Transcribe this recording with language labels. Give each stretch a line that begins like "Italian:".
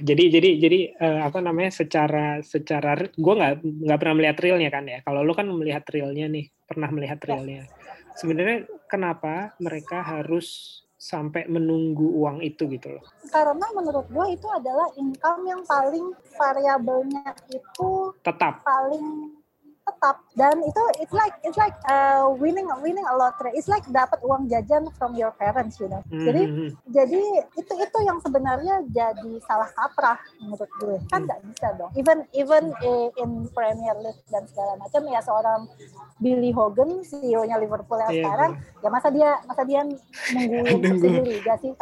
Indonesian: Jadi apa namanya, secara gue nggak pernah melihat realnya kan ya. Kalau lo kan melihat realnya nih, pernah melihat realnya. Sebenarnya kenapa mereka harus sampai menunggu uang itu gitu loh. Karena menurut gue itu adalah income yang paling variabelnya itu tetap. Paling tetap. Dan itu
English: it's like winning a lottery. It's like
Indonesian: dapat uang jajan
English: from your parents, you know. Mm-hmm.
Indonesian: Jadi itu yang sebenarnya jadi salah kaprah menurut gue. Kan enggak bisa dong. Even in Premier League dan segala macam ya, seorang Billy Hogan, CEO-nya Liverpool yang sekarang, ya masa dia nunggu subsidi liga sih?